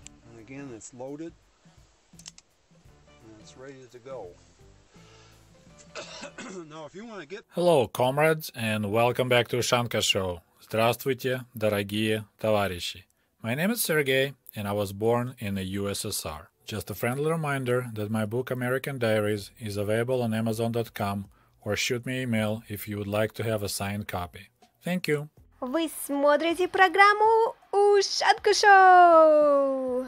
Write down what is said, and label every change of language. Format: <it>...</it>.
<en>And again, it's loaded. Ready to go. Now, if you want to get... Hello, comrades, and welcome back to Ushanka Show.</en> <ru>Здравствуйте, дорогие товарищи.</ru> <en>My name is Sergey, and I was born in the USSR. Just a friendly reminder that my book American Diaries is available on Amazon.com, or shoot me an email if you would like to have a signed copy. Thank you.</en> <ru>Вы смотрите программу Ushanka Show.</ru>